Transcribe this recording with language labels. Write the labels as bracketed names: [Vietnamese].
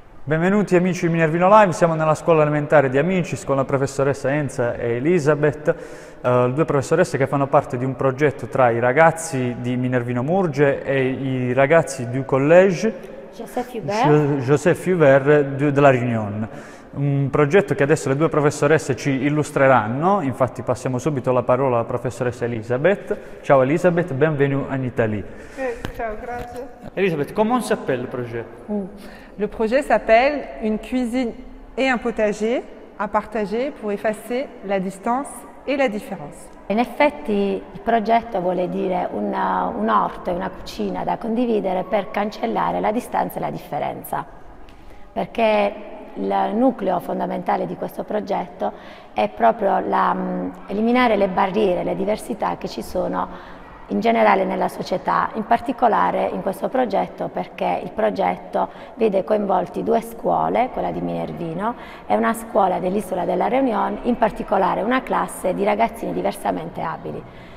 [Italian] Benvenuti amici di Minervino Live, siamo nella scuola elementare di Amicis con la professoressa Enza e Elisabeth, due professoresse che fanno parte di un progetto tra i ragazzi di Minervino Murge e i ragazzi du collège Joseph Hubert de la Réunion. Un progetto che adesso le due professoresse ci illustreranno, infatti passiamo subito la parola alla professoressa Elisabeth. Ciao Elisabeth, benvenuto in Italia. Ciao, grazie. [French] Elisabeth, comment s'appelle le projet? Le projet s'appelle une cuisine et un potager à partager pour effacer la distance et la différence. [Italian] In effetti il progetto vuole dire un orto e una cucina da condividere per cancellare la distanza e la differenza, perché il nucleo fondamentale di questo progetto è proprio eliminare le barriere, le diversità che ci sono in generale nella società, in particolare in questo progetto, perché il progetto vede coinvolti due scuole, quella di Minervino e una scuola dell'Isola della Réunion, in particolare una classe di ragazzini diversamente abili.